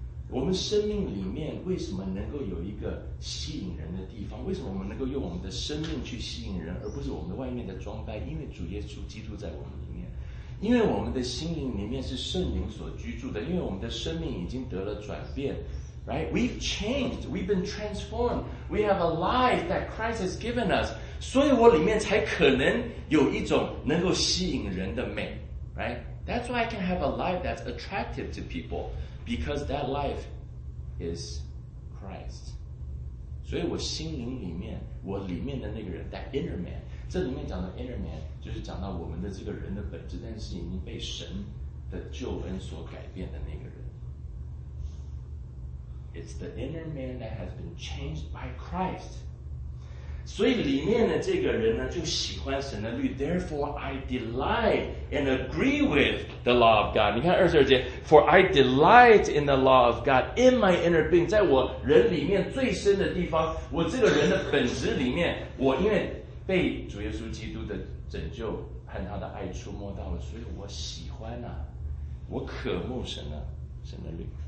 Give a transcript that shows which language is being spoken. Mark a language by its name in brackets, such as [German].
[Chinese] 我们生命里面为什么能够有一个吸引人的地方？为什么我们能够用我们的生命去吸引人，而不是我们的外面的装扮？因为主耶稣基督在我们里面，因为我们的心灵里面是圣灵所居住的，因为我们的生命已经得了转变。 [English] Right? We've changed. We've been transformed. We have a life that Christ has given us. [Chinese] 所以我里面才可能有一种能够吸引人的美。 [English] Right? That's why I can have a life that's attractive to people. Because that life is Christ. [Chinese] 所以我心灵里面，我里面的那个人， [English] that inner man. [Chinese] 这里面讲的 inner man 就是讲到我们的这个人的本质，但是已经被神的救恩所改变的那个人。 [English] It's the inner man that has been changed by Christ. [Chinese] 所以里面的这个人呢，就喜欢神的律。 [English] Therefore, I delight and agree with the law of God. [Chinese] 你看二十二节 [English] ，For I delight in the law of God in my inner being. [Chinese] 在我人里面最深的地方，我这个人的本质里面，我因为被主耶稣基督的拯救和他的爱触摸到了，所以我喜欢呐、啊，我渴慕神的、啊、神的律。